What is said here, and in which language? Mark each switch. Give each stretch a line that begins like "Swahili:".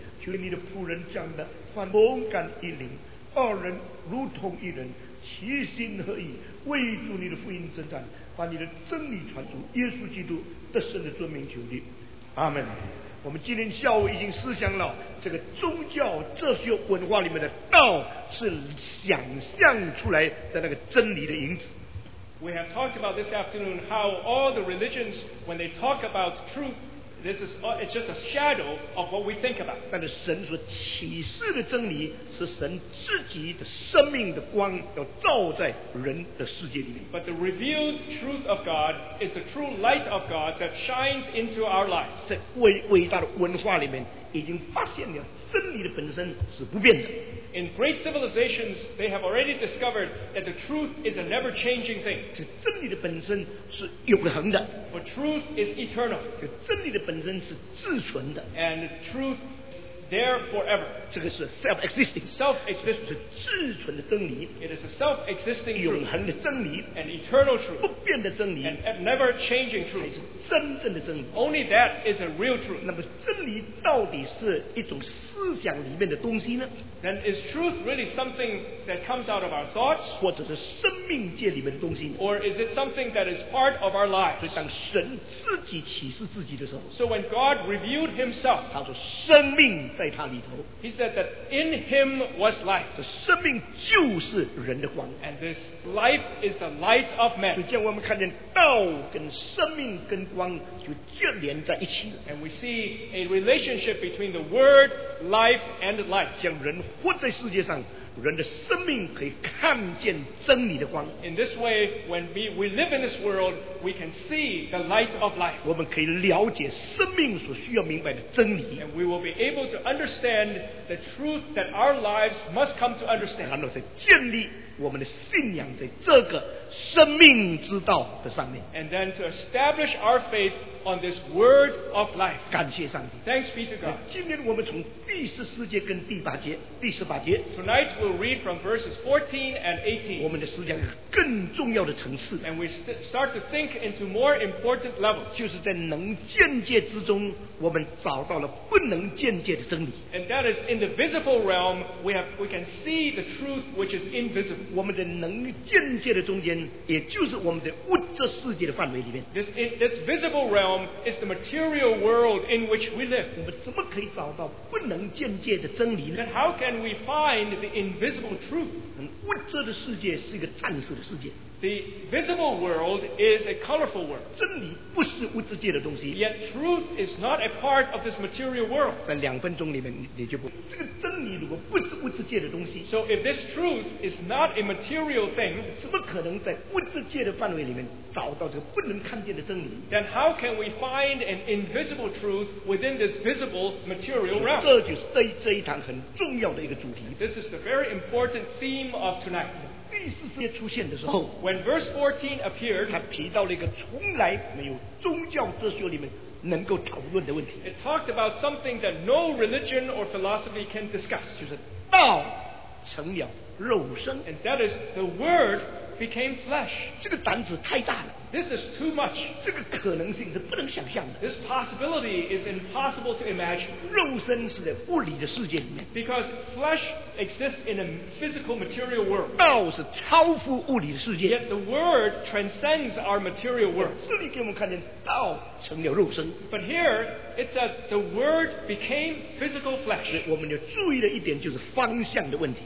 Chinese: 求你的仆人讲的反勇敢一灵，二人如同一人，齐心合意，为主你的福音征战，把你的真理传出。耶稣基督得胜的尊名求你，阿们。我们今天下午已经思想了这个宗教哲学文化里面的道是想象出来的那个真理的影子。
English: We have talked about this afternoon how all the religions, when they talk about truth, this is it's just a shadow of what we think about.
Chinese: 但是神所启示的真理是神自己的生命的光要照在人的世界里面。
English: But the revealed truth of God is the true light of God that shines into our lives.
Chinese: 在伟大的文化里面已经发现了真理的本身是不变的。
English: In great civilizations, they have already discovered that the truth is a never-changing thing.
Chinese: 这真理的本身是永恒的。
English: For truth is eternal.
Chinese: 这真理的本身是自存的。
English: And truth there forever.
Chinese: 这个是 self-existing.
English: Self-existing.
Chinese: 是自存的真理。
English: It is a self-existing truth.
Chinese: 永恒的真理。
English: An eternal truth.
Chinese: 不变的真理。
English: And never-changing truth.
Chinese: 才是真正的真理。
English: Only that is a real truth.
Chinese: 那么真理到底是一种思想里面的东西呢？
English: Then is truth really something that comes out of our thoughts?
Chinese: 或者是生命界里面的东西呢?
English: Or is it something that is part of our lives?
Chinese: 所以当神自己启示自己的时候,
English: So when God revealed himself,
Chinese: 他说生命在他里头,
English: He said that in him was life.
Chinese: 这生命就是人的光,
English: And this life is the light of man.
Chinese: 所以我们看见道跟生命跟光就接连在一起了。
English: And we see a relationship between the word, life, and light.
Chinese: 将人活在世界上，人的生命可以看见真理的光。
English: In this way, when we live in this world, we can see the light of life.
Chinese: 我们可以了解生命所需要明白的真理。
English: And we will be able to understand the truth that our lives must come to understand.
Chinese: 然后再建立我们的信仰在这个生命之道的上面。
English: And then to establish our faith on this word of life.
Chinese: 感谢上帝。
English: Thanks be to God.
Chinese: 今天我们从第十四节跟第十八节。
English: Tonight we'll read from verses 14 and 18.
Chinese: 我们的思想更重要的层次。
English: And we start to think into more important levels.
Chinese: 就是在能见界之中，我们找到了不能见界的真理。
English: And that is in the visible realm, we can see the truth which is invisible.
Chinese: 我们在能见界的中间，也就是我们的物质世界的范围里面。
English: This visible realm is the material world in which we live.
Chinese: 我们怎么可以找到不能见界的真理呢？
English: Then how can we find the invisible truth?
Chinese: 物质的世界是一个暂时的世界。
English: The visible world is a colorful world.
Chinese: 真理不是物质界的东西。
English: Yet truth is not a part of this material world.
Chinese: 在两分钟里面你就不这个真理如果不是物质界的东西。
English: So if this truth is not a material thing,
Chinese: 怎么可能在物质界的范围里面找到这个不能看见的真理？
English: Then how can we find an invisible truth within this visible material realm?
Chinese: 这就是这一堂很重要的一个主题。
English: This is the very important theme of tonight.
Chinese: 第四节出现的时候
English: ，When verse 14 appeared，
Chinese: 他提到了一个从来没有宗教哲学里面能够讨论的问题。
English: It talked about something that no religion or philosophy can discuss，
Chinese: 就是道成了肉身。
English: And that is the word became flesh。
Chinese: 这个胆子太大了。
English: This is too much。
Chinese: 这个可能性是不能想象的。
English: This possibility is impossible to imagine。
Chinese: 肉身是在物理的世界里面。
English: Because flesh exists in a physical material world。
Chinese: 道是超乎物理的世界。
English: Yet the word transcends our material world。
Chinese: 这里给我们看见道成了肉身。
English: But here it says the word became physical flesh。
Chinese: 我们要注意的一点就是方向的问题。